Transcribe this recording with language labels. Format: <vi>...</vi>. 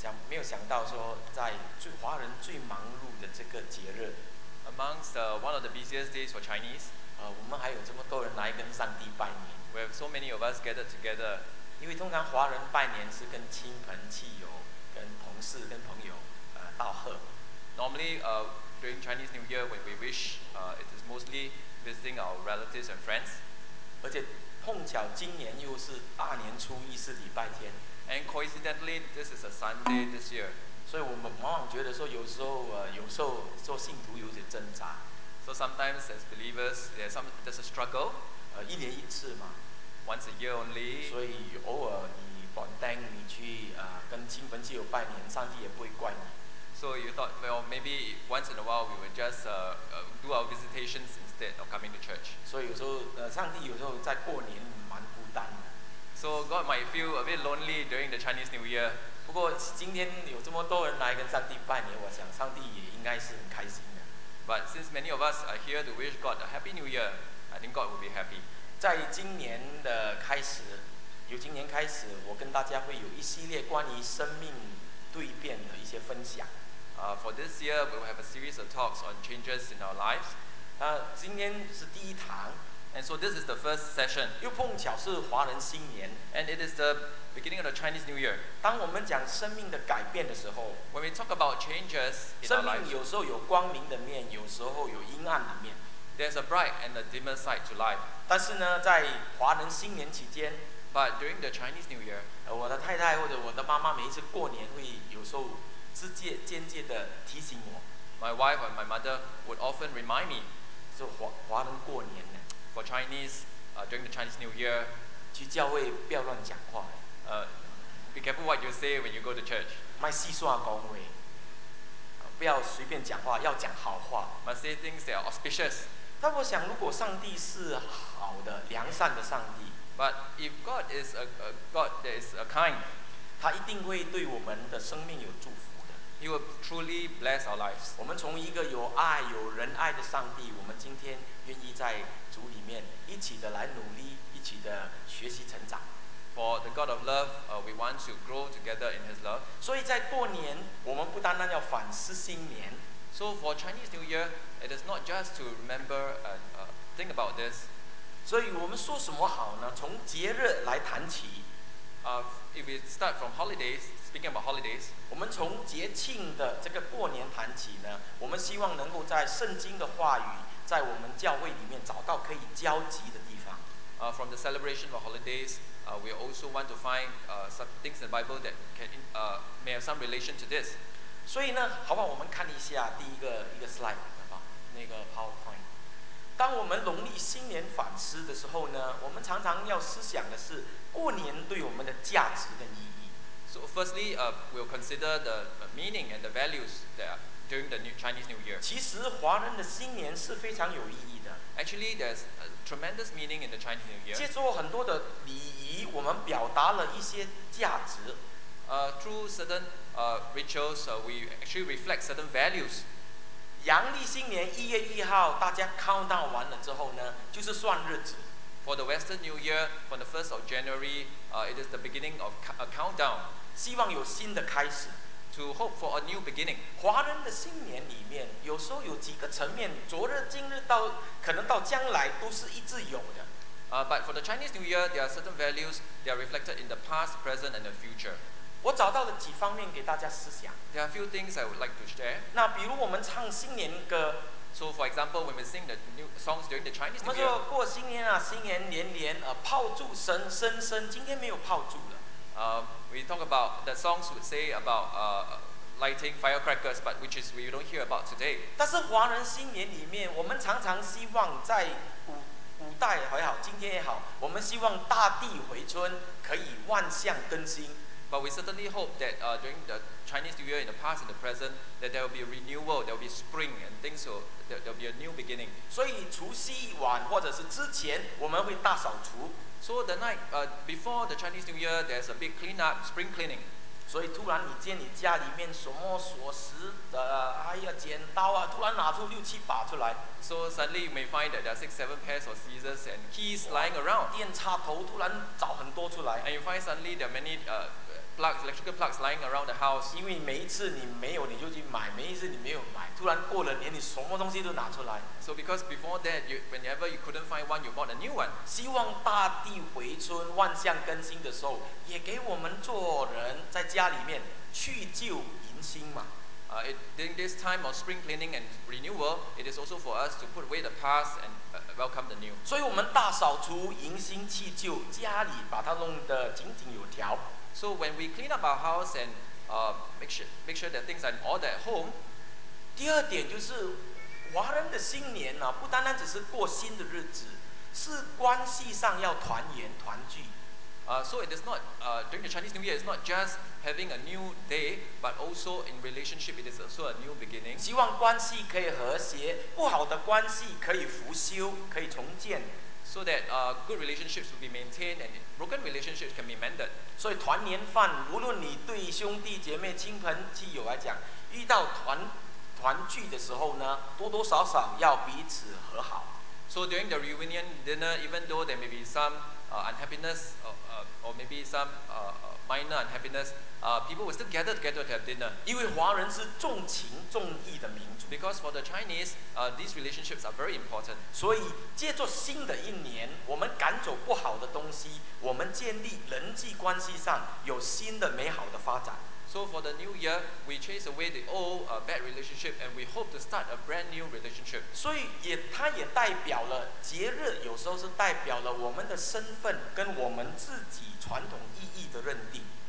<zh>没有想到说在华人最忙碌的这个节日。</zh> <en>Amongst one of the busiest days for Chinese.</en> <zh>我们还有这么多人来跟上帝拜年。</zh> <en>We have so many of us gathered together.</en> <zh>因为通常华人拜年是跟亲朋戚友、跟同事、跟朋友道贺。</zh> <en>Normally, during Chinese New Year, when we wish, it is mostly visiting our relatives and friends.</en> <zh>而且碰巧今年又是大年初一，是礼拜天。</zh> <en>And coincidentally, this is a Sunday this year.</en> <zh>所以我们往往觉得说，有时候做信徒有些挣扎。</zh> <en>So sometimes as believers, there's a struggle.</en> <zh>一年一次嘛。</zh> <en>Once a year only.</en> <zh>所以偶尔你短单你去跟亲朋戚友拜年，上帝也不会怪你。</zh> <en>So you thought, well, maybe once in a while we would just do our visitations instead of coming to church.</en> <zh>所以有时候，上帝有时候在过年蛮孤单的。</zh> <en>So God might feel a bit lonely during the Chinese New Year.</en> <zh>不过今天有这么多人来跟上帝拜年，我想上帝也应该是很开心的。</zh> <en>But since many of us are here to wish God a happy New Year, I think God will be happy.</en> <zh>在今年的开始，由今年开始，我跟大家会有一系列关于生命蜕变的一些分享。</zh> <en>For this year, we will have a series of talks on changes in our lives.</en> <zh>今天是第一堂。</zh> <en>And so this is the first session.</en> <zh>又碰巧是华人新年。</zh> <en>And it is the beginning of the Chinese New Year.</en> <zh>当我们讲生命的改变的时候，</zh> <en>when we talk about changes in our lives,</en> <zh>生命有时候有光明的面，有时候有阴暗的面。</zh> <en>There's a bright and a dimmer side to life.</en> <zh>但是呢，在华人新年期间，</zh> <en>but during the Chinese New Year,</en> <zh>我的太太或者我的妈妈每一次过年会有时候间接的提醒我。</zh> <en>My wife and my mother would often remind me.</en> <zh>是华人过年呢。</zh> <en>For Chinese, during the Chinese New Year.</en> <zh>去教会不要乱讲话。</zh> <en>Be careful what you say when you go to church.</en> <zh>卖细算恭维。不要随便讲话，要讲好话。</zh> <en>Must say things that are auspicious.</en> <zh>但我想，如果上帝是好的、良善的上帝。</zh> <en>But if God is a God that is a kind.</en> <zh>他一定会对我们的生命有祝福。</zh> <en>He will truly bless our lives.</en> <zh>我们从一个有爱、有仁爱的上帝，我们今天愿意在主里面一起的来努力，一起的学习成长。</zh> <en>For the God of love, we want to grow together in His love.</en> <zh>所以在过年，我们不单单要反思新年。</zh> <en>So for Chinese New Year, it is not just to remember and think about this.</en> <zh>所以我们说什么好呢？从节日来谈起。</zh> <en>If we start from holidays, speaking about holidays,</en> <zh>我们从节庆的这个过年谈起呢，我们希望能够在圣经的话语，在我们教会里面找到可以交集的地方。</zh> <en>From the celebration of holidays, we also want to find some things in the Bible that can may have some relation to this.</en> <zh>所以呢，好吧，我们看一下第一个 slide 啊，那个 PowerPoint。当我们农历新年反思的时候呢，我们常常要思想的是过年对我们的价值跟意义。</zh> <en>So firstly, we'll consider the meaning and the values that during the Chinese New Year.</en> <zh>其实华人的新年是非常有意义的。</zh> <en>Actually, there's a tremendous meaning in the Chinese New Year.</en> <zh>借助很多的礼仪，我们表达了一些价值。</zh> <en>Through certain rituals, we actually reflect certain values.</en> <zh>阳历新年一月一号，大家 countdown 完了之后呢，就是算日子。</zh> <en>For the Western New Year, from the 1st of January, it is the beginning of a countdown.</en> <zh>希望有新的开始。</zh> <en>To hope for a new beginning.</en> <zh>华人的新年里面，有时候有几个层面，昨日、今日到可能到将来，都是一直有的。</zh> <en>But for the Chinese New Year, there are certain values that are reflected in the past, present, and the future.</en> <zh>我找到了几方面给大家思想。</zh> <en>There are a few things I would like to share.</en> <zh>那比如我们唱新年歌。</zh> <en>So for example, when we sing the new songs during the Chinese New Year.</en> <zh>我们说过新年啊，新年年年，炮竹声声声，今天没有炮竹了。</zh> <en>We talk about the songs would say about lighting firecrackers, but which is we don't hear about today.</en> <zh>但是华人新年里面，我们常常希望在古代也好，今天也好，我们希望大地回春，可以万象更新。</zh> <en>But we certainly hope that during the Chinese New Year, in the past and the present, that there will be a renewal, there will be spring, and things will there will be a new beginning.</en> <zh>所以除夕晚或者是之前，我们会大扫除。</zh> <en>So the night before the Chinese New Year, there's a big clean up, spring cleaning.</en> <zh>所以突然你见你家里面什么锁匙的，哎呀，剪刀啊，突然拿出六七把出来。</zh> <en>So suddenly you may find that there are six, seven pairs of scissors and keys lying around.</en> <zh>电插头突然找很多出来。</zh> <en>And you find suddenly there are many plugs, electrical plugs lying around the house.</en> <zh>因为每一次你没有你就去买，每一次你没有买，突然过了年你什么东西都拿出来。</zh> <en>So because before that, you, whenever you couldn't find one, you bought a new one.</en> <zh>希望大地回春，万象更新的时候，也给我们做人在家里面去旧迎新嘛。</zh> <en>During this time of spring cleaning and renewal, it is also for us to put away the past and welcome the new.</en> <zh>所以我们大扫除，迎新去旧，家里把它弄得井井有条。</zh> <en>So when we clean up our house and make sure that things are in order at home.</en> <zh>第二点就是华人的新年呢、啊，不单单只是过新的日子，是关系上要团圆团聚。</zh> <en>So it is not during the Chinese New Year, it's not just having a new day, but also in relationship, it is also a new beginning.</en> <zh>希望关系可以和谐，不好的关系可以复修，可以重建。</zh> <en>So that good relationships will be maintained and broken relationships can be mended.</en> <zh>所以团年饭，无论你对兄弟姐妹、亲朋戚友来讲，遇到团聚的时候呢，多多少少要彼此和好。</zh> <en>So during the reunion dinner, even though there may be some unhappiness or maybe some minor unhappiness, people will still gather together to have dinner.</en> <zh>因为华人是重情重义的民族。</zh> <en>Because for the Chinese, these relationships are very important.</en> <zh>所以借着新的一年，我们赶走不好的东西，我们建立人际关系上有新的美好的发展。</zh> <en>So for the new year, we chase away the old bad relationship and we hope to start a brand new relationship.</en> <zh>所以也它也代表了节日，有时候是代表了我们的身份跟我们自己传统意义的认定。</zh>